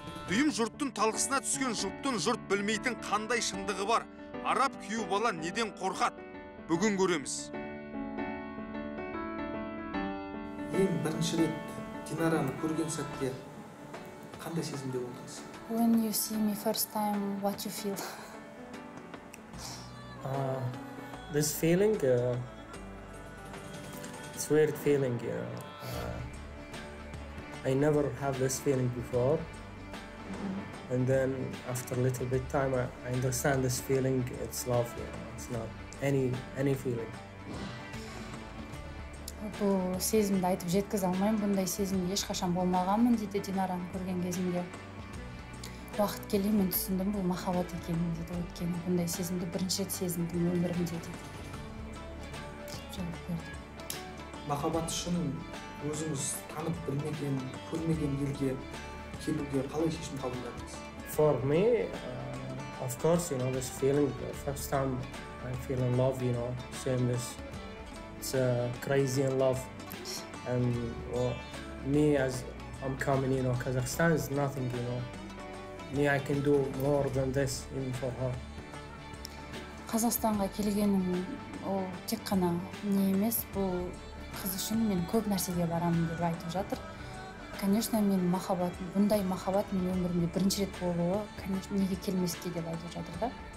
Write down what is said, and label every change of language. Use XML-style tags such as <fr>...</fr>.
<kk>Дүйім жұрттың талқысына түскен жұрттың жұрт білмейтін қандай шындығы бар? Араб күйеу бала неден қорқады? Бүгін көреміз. Ең бірінші рет Динараны көрген сәтте қандай сезімде болдыңыз?</kk> <en>When you see me first time, what you feel? This feeling, it's weird feeling, you know. I never have this feeling before. Mm-hmm. And then after a little bit time, I understand this feeling, it's love, you know. It's not any feeling.</en> <kk>Бұл сезімді айтып жеткізе алмаймын. Бұндай сезім ешқашан болмағанмын, дейді Динара көрген кезімде. Уақыт келе мен түсіндім бұл махаббат екенін, деді. Өйткені бұндай сезімді бірінші рет сезіндім өмірімде, деді. Махаббат үшін өзіңіз танып білмеген, көрмеген елге келуге қалай шешім қабылдадыңыз?</kk> <en>For me, of course, you know, this feeling, the first time I feel in love, you know, same this. It's crazy in love. And well, me as I'm coming, you know, Kazakhstan is nothing, you know. Me, I can do more than this even for her.</en> <kk>Қазақстанға келгенім ол тек қана не емес, бұл қыз үшін мен көп нәрсеге барамын деп айтып жатыр. Конечно, мен махаббатым, бұндай махаббат мен өмірімде бірінші рет болуы, конечно, неге келмеске деп айтып жатыр да.</kk>